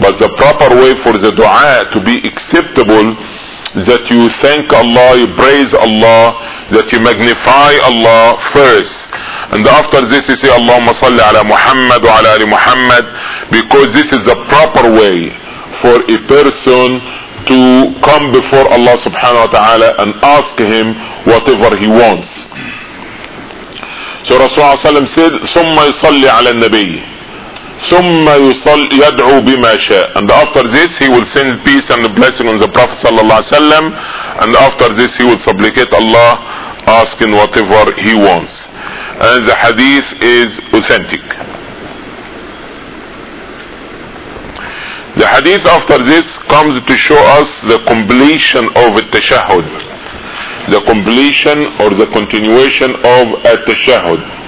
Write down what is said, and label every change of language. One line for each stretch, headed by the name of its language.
English: But the proper way for the dua to be acceptable, that you thank Allah, you praise Allah, that you magnify Allah first. And after this you say, Allahumma salli ala Muhammad wa ala ali Muhammad, because this is the proper way for a person to come before Allah subhanahu wa ta'ala and ask him whatever he wants.
Arabic: So Rasulullah صلى الله عليه وسلم said, ثُمَّ يُصَلِّي عَلَى النَّبِيِّ ثُمَّ يُصَلِّي يَدْعُو بِمَا شَاءَ.
English: And after this he will send peace and blessing on the Prophet صلى الله عليه وسلم, and after this he will supplicate Allah asking whatever he wants. And the hadith is authentic. The hadith after this comes to show us the completion of التشهد, the completion or the continuation of at-tashahud.